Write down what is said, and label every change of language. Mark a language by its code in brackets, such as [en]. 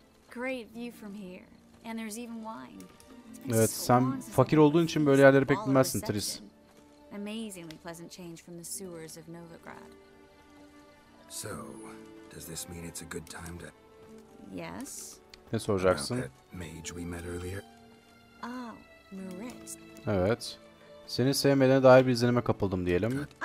[en] Great view from here, and there's even wine. [tr] Evet, sen fakir olduğun için böyle yerleri pek bilmezsin, Triss. [en] Amazingly pleasant change from the sewers of Novigrad. So, does this mean it's a good time to? Yes. [tr] Ne soracaksın? [en] Mage we met earlier. Ah, Moritz. [tr] Evet. Seni sevmediğine dair bir izlenime kapıldım diyelim.